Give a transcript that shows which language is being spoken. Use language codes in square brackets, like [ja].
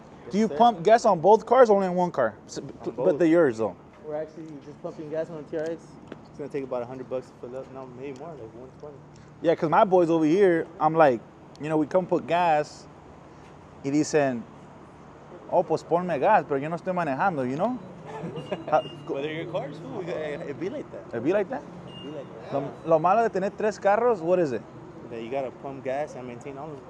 [en] Do you pump gas on both cars or only in 1 car? But the yours, though. We're actually just pumping gas on the TRX. It's going to take about $100 to fill up. No, maybe more, like 120. Yeah, because my boys over here, I'm like, you know, we come put gas. [es] Y dicen, oh, pues ponme gas, pero yo no estoy manejando, [en] you know? Whether your cars, it'd be like that. It'd be like that? It'd be like that. [es] Lo malo de tener 3 carros, [en] what is it? That you gotta pump gas and maintain all of them.